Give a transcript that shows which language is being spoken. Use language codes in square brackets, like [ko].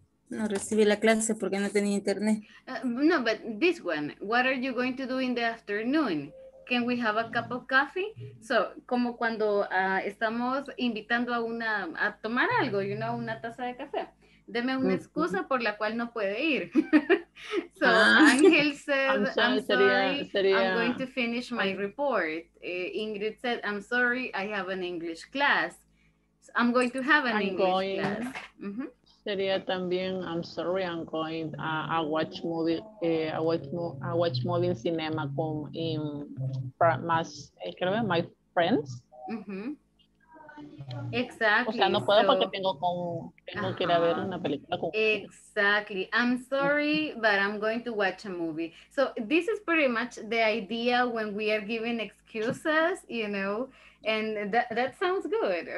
[es] No recibí la clase porque no tenía internet. [en] No, but this one, what are you going to do in the afternoon? Can we have a cup of coffee? So, [es] como cuando estamos invitando a tomar algo, [en] you know, [es] una taza de café. Deme una excusa por la cual no puede ir. [en] So, Ángel said, I'm sorry, I'm going to finish my report. Ingrid said, I'm sorry, I have an English class. So I'm going to have an English class. Mm-hmm. [es] Sería también, [en] I'm sorry, I'm going to watch movie in cinema con my friends. Exactly. [es] O sea, no puedo porque tengo que ir a ver una película. [en] Exactly. I'm sorry, but I'm going to watch a movie. So this is pretty much the idea when we are giving excuses, you know, and that sounds good.